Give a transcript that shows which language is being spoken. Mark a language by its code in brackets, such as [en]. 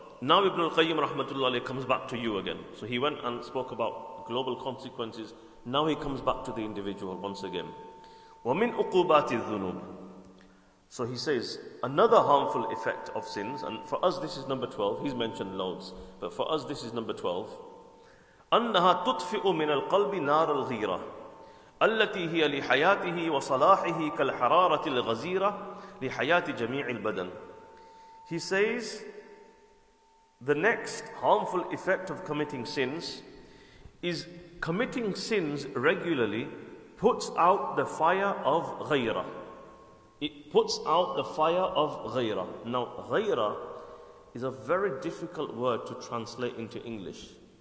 [en] Now Ibn al-Qayyim rahmatullahi comes back to you again. So he went and spoke about global consequences. Now he comes back to the individual once again. [ar] وَمِنْ أُقُوبَاتِ الذُّنُوبِ. [en] So he says, another harmful effect of sins, and for us this is number 12, he's mentioned loads, but for us this is number 12. [ar] أنها تطفئ من القلب نار الغيرة التي هي لحياته وصلاحه كالحرارة الغزيرة لحياة جميع البدن. [en] He says, the next harmful effect of committing sins is committing sins regularly puts out the fire of غيرة. It puts out the fire of غيرة. Now, غيرة is a very difficult word to translate into English.